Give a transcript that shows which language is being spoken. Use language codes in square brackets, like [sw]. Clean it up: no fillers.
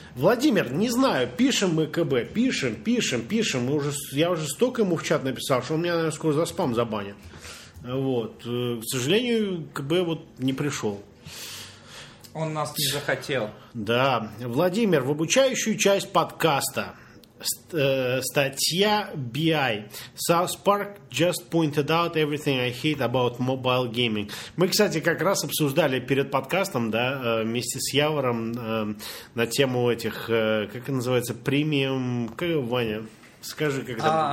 [ru] Владимир, не знаю, пишем мы КБ, пишем, мы уже, я уже столько ему в чат написал, что он меня, наверное, скоро за спам забанит. Вот, к сожалению, КБ вот не пришел. Он нас не захотел. Да, Владимир, в обучающую часть подкаста статья BI. [en] South Park just pointed out everything I hate about mobile gaming. [ru] Мы, кстати, как раз обсуждали перед подкастом, да, вместе с Явором на тему этих, как это называется, премиум, как, Ваня, скажи, как это...